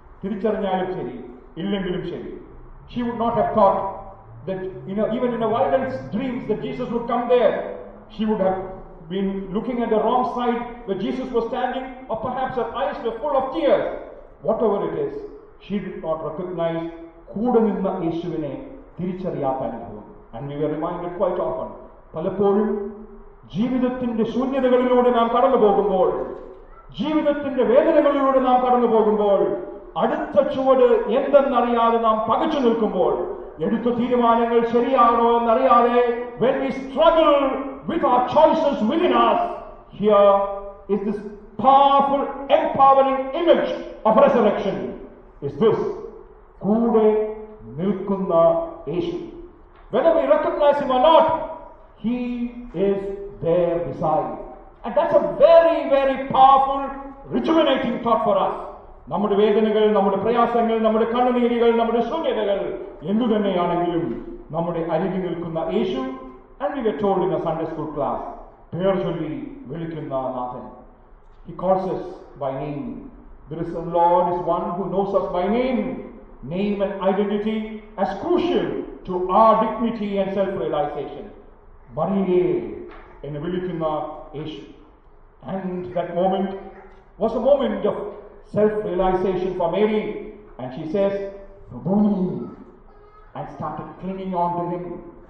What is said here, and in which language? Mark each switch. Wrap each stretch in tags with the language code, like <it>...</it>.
<ml>തിരിച്ചറിഞ്ഞാലും ശരി, ഇല്ലെങ്കിലും ശരി.</ml> <en>She would not have thought that, you know, even in her wildest dreams that Jesus would come there. She would have been looking at the wrong side where Jesus was standing, or perhaps her eyes were full of tears. Whatever it is, she did not recognize</en> <ml>കൂടെ നിന്ന യേശുവിനെ തിരിച്ചറിയാത്ത അനുഭവം.</ml> <en>And we were reminded quite often,</en> <ml>പലപ്പോഴും ജീവിതത്തിന്റെ ശൂന്യതകളിലൂടെ നാം കടന്നു പോകുമ്പോൾ, ജീവിതത്തിന്റെ വേദനകളിലൂടെ നാം കടന്നു പോകുമ്പോൾ, അടുത്ത ചുവട് എന്തെന്നറിയാതെ നാം പകച്ചു നിൽക്കുമ്പോൾ, എടുത്ത തീരുമാനങ്ങൾ ശരിയാണോ എന്നറിയാതെ,</ml> <en>when we struggle with our choices within us, here is this powerful, empowering image of resurrection. Is this</en> <ml>കൂടെ നിൽക്കുന്ന യേശു?</ml> <en>Whether we recognize him or not, he is there beside. And that's a very, very powerful, rejuvenating thought for us.</en> <ml>നമ്മുടെ വേദനകൾ, നമ്മുടെ പ്രയാസങ്ങൾ, നമ്മുടെ കണ്ണുനീരുകൾ, നമ്മുടെ ശൂന്യതകൾ എന്തുതന്നെയാണെങ്കിലും നമ്മുടെ അരികിൽ നിൽക്കുന്ന യേശു.</ml> <en>And we were told in a Sunday school class,</en> <ml>പേർ ചൊല്ലി വിളിക്കുന്ന നാഥൻ.</ml> <en>He calls us by name. The risen Lord is one who knows us by name. name and identity as crucial to our dignity and self-realization.</en> <ml>Bariye in Vilikina Ishu.</ml> <en>And that moment was a moment of self-realization for Mary, and she says, Rabuni, and started clinging on to him.</en>